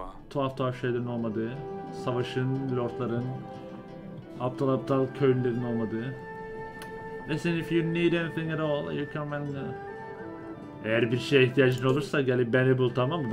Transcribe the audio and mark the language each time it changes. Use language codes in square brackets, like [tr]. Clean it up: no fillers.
[tr] Tuhaf tuhaf şeylerin olmadığı, savaşın, lordların, aptal aptal köylülerin olmadığı. [en] Listen, if you need anything at all, you come and... [tr] Eğer bir şeye ihtiyacın olursa gelip beni bul, tamam mı?